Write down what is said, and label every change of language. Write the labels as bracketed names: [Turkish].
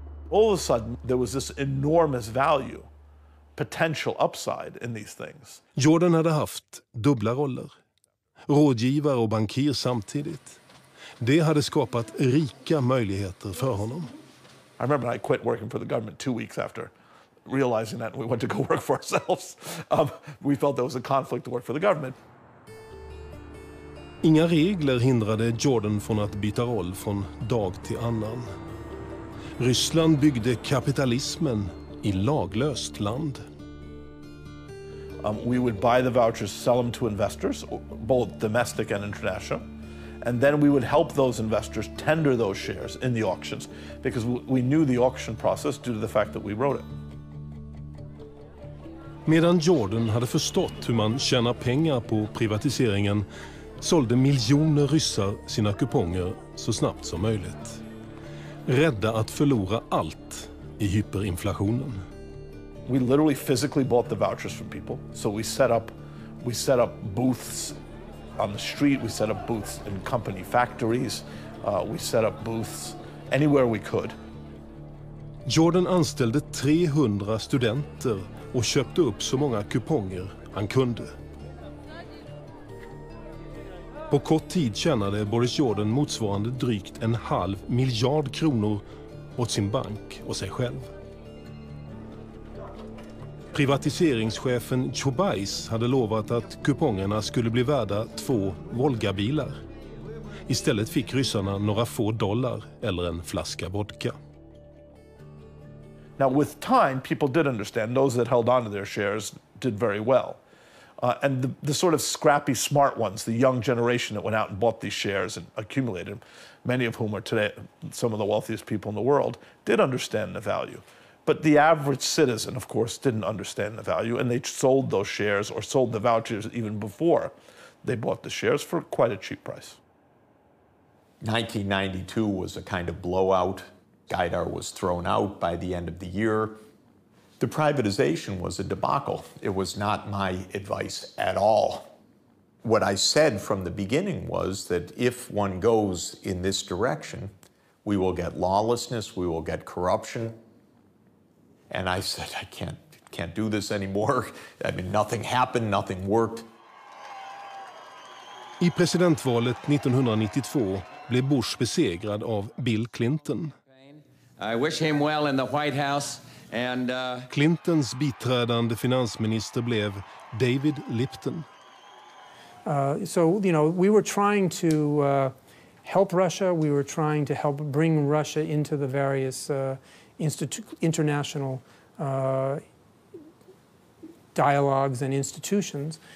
[English] All of a sudden, there was this enormous value potential upside in these things. [Swedish] Jordan hade haft dubbla roller. Rådgivare och bankir samtidigt. Det hade skapat rika möjligheter för honom. [English] I remember I quit working for the government 2 weeks after realizing that we went to go work for ourselves. We felt there was a conflict to work for the government. [Swedish] Inga regler hindrade Jordan från att byta roll från dag till annan. Ryssland byggde kapitalismen i laglöst land. [English] We would buy the vouchers, sell them to investors, both domestic and international. And then we would help those investors tender those shares in the auctions because we knew the auction process due to the fact that we wrote it. [Swedish] Medan Jordan hade förstått hur man tjänar pengar på privatiseringen sålde miljoner ryssar sina kuponger så snabbt som möjligt. Rädda att förlora allt i hyperinflationen. [English] We literally physically bought the vouchers from people. So we set up booths on the street, we set up booths in company factories, we set up booths anywhere we could. [Swedish] Jordan anställde 300 studenter och köpte upp så många kuponger han kunde. På kort tid tjänade Boris Jordan motsvarande drygt en halv miljard kronor åt sin bank och sig själv. Privatiseringschefen Chubais hade lovat att kupongerna skulle bli värda 2 Volga-bilar. Istället fick ryssarna några få dollar eller en flaska vodka. [English] Now with time people did understand, those that held on to their shares did very well. And the sort of scrappy smart ones, the young generation that went out and bought these shares and accumulated them, many of whom are today some of the wealthiest people in the world, did understand the value. But the average citizen, of course, didn't understand the value, and they sold those shares or sold the vouchers even before they bought the shares for quite a cheap price. 1992 was a kind of blowout. Gaidar was thrown out by the end of the year. The privatization was a debacle. It was not my advice at all. What I said from the beginning was that if one goes in this direction, we will get lawlessness, we will get corruption. And I said, I can't do this anymore. I mean, nothing happened, nothing worked. [Swedish] I presidentvalet 1992 blev Bush besegrad av Bill Clinton. [English] I wish him well in the White House. And [Swedish] Clintons biträdande finansminister blev David Lipton. [English] So, you know, we were trying to help Russia. We were trying to help bring Russia into the various international dialogues and institutions.